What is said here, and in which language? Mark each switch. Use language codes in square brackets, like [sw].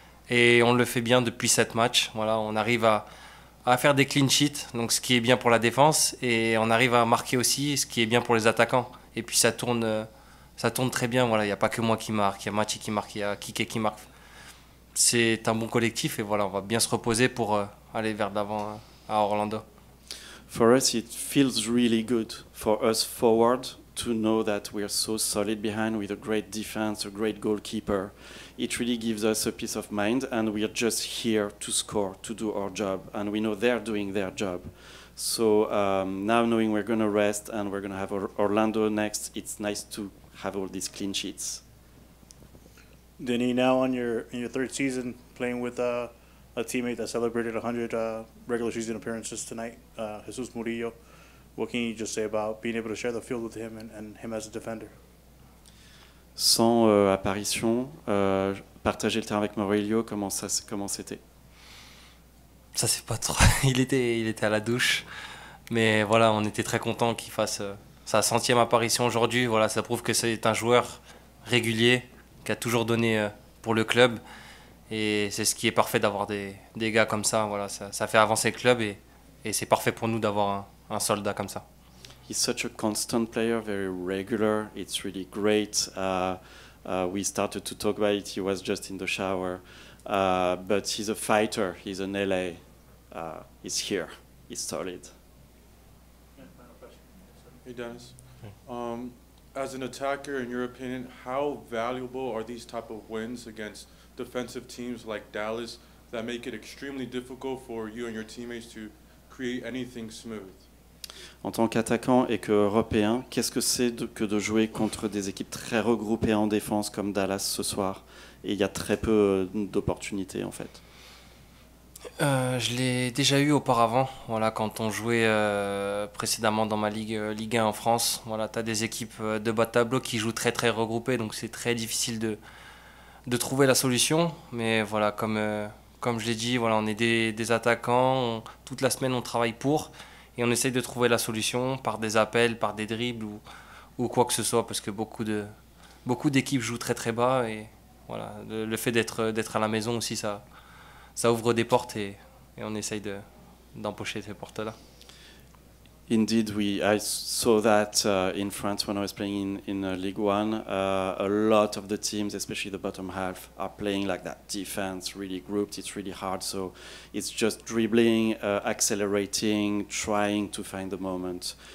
[fr] Et on le fait bien depuis 7 matchs, voilà, on arrive à faire des clean sheets, donc ce qui est bien pour la défense, et on arrive à marquer aussi, ce qui est bien pour les attaquants. Et puis ça tourne très bien, voilà, il n'y a pas que moi qui marque, il y a Mathieu qui marque, il y a Kike qui marque. C'est un bon collectif et voilà, on va bien se reposer pour aller vers l'avant à Orlando. [en] For us, it feels really good for us forward to know that we are so solid behind with a great defense, a great goalkeeper. It really gives us a peace of mind, and we are just here to score, to do our job, and we know they're doing their job. So now knowing we're going to rest and we're going to have Orlando next, it's nice to have all these clean sheets. Denny, now on your third season playing with a teammate that celebrated 100 regular season appearances tonight, Jesus Murillo. What can you just say about being able to share the field with him and him as a defender? [fr] sans apparition, partager le terrain avec Maurilio, comment c'était? Ça c'est pas trop. Il était à la douche, mais voilà, on était très content qu'il fasse sa 100e apparition aujourd'hui. Voilà, ça prouve que c'est un joueur régulier qui a toujours donné pour le club, et c'est ce qui est parfait d'avoir des gars comme ça. Voilà, ça fait avancer le club, et c'est parfait pour nous d'avoir un soldat comme ça. [en] He's such a constant player, very regular. It's really great. We started to talk about it. He was just in the shower. But he's a fighter. He's an LA. He's here. He's solid. Hey, Dennis. As an attacker, in your opinion, how valuable are these type of wins against defensive teams like Dallas that make it extremely difficult for you and your teammates to create anything smooth? [fr] En tant qu'attaquant et qu'Européen, qu'est-ce que c'est que de jouer contre des équipes très regroupées en défense comme Dallas ce soir? Et il y a très peu d'opportunités, en fait. Je l'ai déjà eu auparavant, voilà, quand on jouait précédemment dans ma Ligue 1 en France. Voilà, tu as des équipes de bas de tableau qui jouent très très regroupées, donc c'est très difficile de trouver la solution. Mais voilà, comme je l'ai dit, voilà, on est des attaquants, toute la semaine on travaille pour... Et on essaye de trouver la solution par des appels, par des dribbles ou quoi que ce soit, parce que beaucoup d'équipes jouent très très bas. Et voilà, le fait d'être à la maison aussi, ça ouvre des portes, et on essaye d'empocher ces portes-là. [en] Indeed, I saw that in France when I was playing in Ligue 1. A lot of the teams, especially the bottom half, are playing like that defense, really grouped. It's really hard. So it's just dribbling, accelerating, trying to find the moment.